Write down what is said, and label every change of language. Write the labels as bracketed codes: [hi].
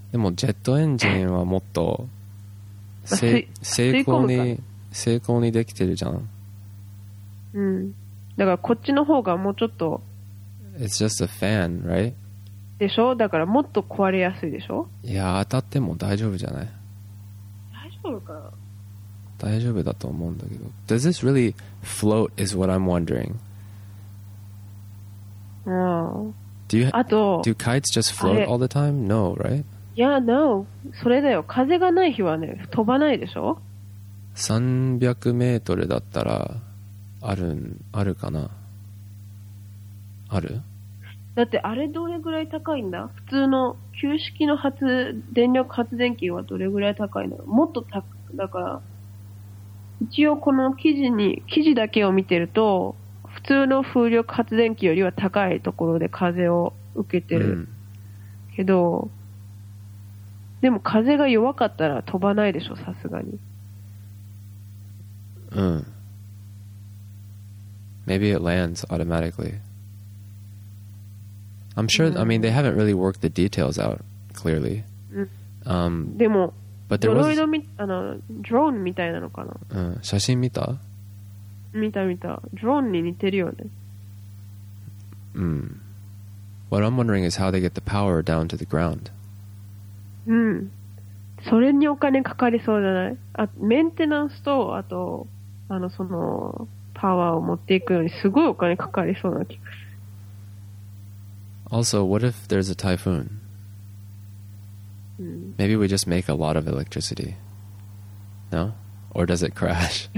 [ja] でもジェットエンジンはもっと成功にできてるじゃん。うん、だからこっちの方がもうちょっと、 [en] It's just a fan, right? [ja] でしょ。だからもっと壊れやすいでしょ。いや、当たっても大丈夫じゃない？大丈夫かな。大丈夫だと思うんだけど。 [en] Does this really float is what I'm wondering. Do kites just float all the time? No, right? Yeah, no. [ja] それだよ。風がない日はね、飛ばないでしょ。 300メートルだったらあるかな。ある？だってあれどれぐらい高いんだ？普通の旧式の発電力発電機はどれぐらい高いの？もっと高だから。一応この記事だけを見てると、普通の風力発電機よりは高いところで風を受けてるけど、うん、でも風が弱かったら飛ばないでしょさすがに。 [en] うん、 Maybe it lands automatically. I'm sure、うん、I mean they haven't really worked the details out clearly、 [ja] うん、でもドローンみたいなのかな、うん、写真見た？見た見た。ドローンに似てるよね。うん。 [en] What I'm wondering is how they get the power down to the ground. [ja] うん。それにお金かかりそうじゃない？あ、メンテナンスと、あと、その、パワーを持っていくのにすごいお金かかりそうな気がする。 [en] Also, what if there's a typhoon? Maybe we just make a lot of electricity. No? Or does it crash?